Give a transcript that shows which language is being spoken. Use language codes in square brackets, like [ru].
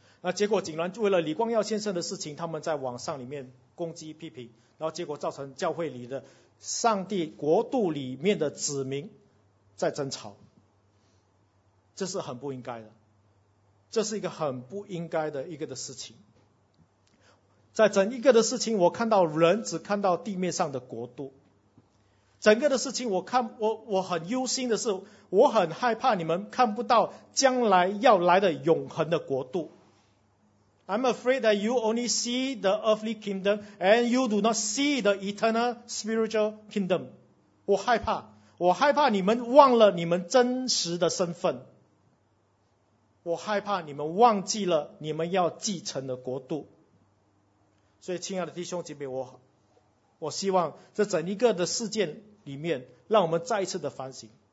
[zh] 那结果竟然为了李光耀先生的事情，他们在网上里面攻击批评，然后结果造成教会里的上帝国度里面的子民在争吵，这是很不应该的，这是一个很不应该的一个的事情。在整一个的事情，我看到人只看到地面上的国度。整个的事情，我很忧心的是，我很害怕你们看不到将来要来的永恒的国度。 [en] I'm afraid that you only see the earthly kingdom and you do not see the eternal spiritual kingdom. [zh] 我害怕，我害怕你们忘了你们真实的身份。我害怕你们忘记了你们要继承的国度。所以亲爱的弟兄姐妹，我希望这整一个的事件里面，让我们再一次的反省。